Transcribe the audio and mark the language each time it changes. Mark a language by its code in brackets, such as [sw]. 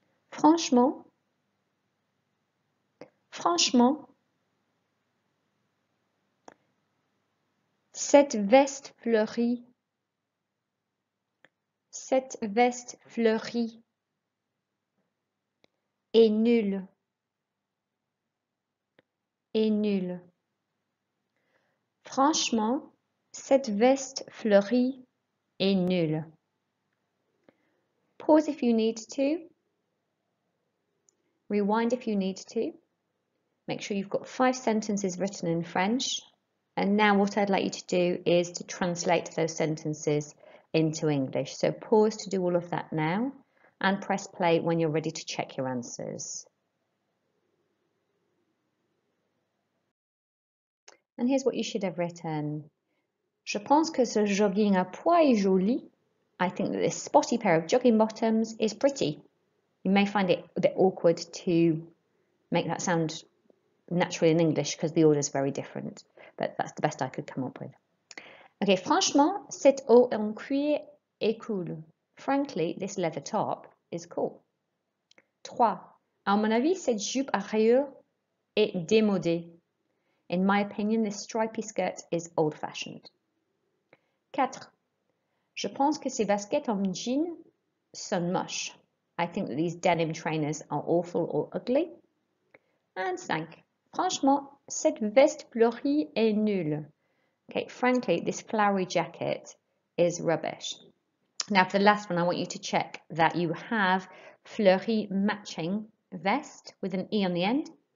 [fr] Franchement, franchement, cette veste fleurie est nulle, franchement, cette veste fleurie est nulle. [en] Pause if you need to, rewind if you need to, make sure you've got 5 sentences written in French. And now what I'd like you to do is to translate those sentences into English. So pause to do all of that now and press play when you're ready to check your answers. And here's what you should have written. [fr] Je pense que ce jogging à pois est joli. [en] I think that this spotty pair of jogging bottoms is pretty. You may find it a bit awkward to make that sound naturally in English because the order is very different. But that's the best I could come up with. [fr] Okay, franchement, cette eau en cuir est cool. [en] Frankly, this leather top is cool. 3. [fr] À mon avis, cette jupe à rayures est démodée. [en] In my opinion, this stripy skirt is old-fashioned. 4. [fr] Je pense que ces baskets en jean sont moches. [en] I think that these denim trainers are awful or ugly. And 5. [fr] Franchement, cette veste fleurie est nulle. [en] Okay, frankly, this flowery jacket is rubbish. Now, for the last one, I want you to check that you have fleurie matching vest with an E on the end.